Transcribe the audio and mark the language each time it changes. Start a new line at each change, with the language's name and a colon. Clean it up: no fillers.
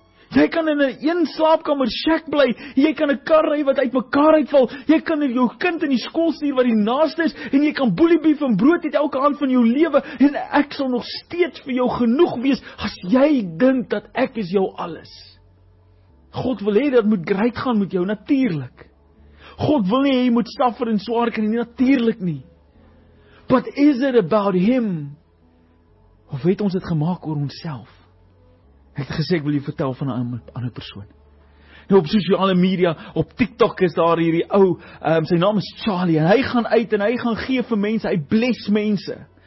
Afrikaans: Jy kan in 'n een slaapkamer shack bly, jy kan 'n kar ry wat uit mekaar uitval, jy kan jou kind in die skool stuur wat die naaste is, en jy kan boeliebief en brood eet elke aand van jou lewe, en ek sal nog steeds vir jou genoeg wees, as jy dink dat ek is jou alles. God wil hê dat moet great gaan met jou, natuurlik. God wil nie hê jy moet suffer en swaar kry nie, natuurlik nie.
English: But is it about him?
Afrikaans: Of het ons dit gemaak oor onsself? Ek het gesê, ek wil jy vertel van 'n ander persoon. Nou op sosiale media, op TikTok is daar hierdie ou, sy naam is Charlie, en hy gaan uit en hy gaan gee vir mense, hy bless mense.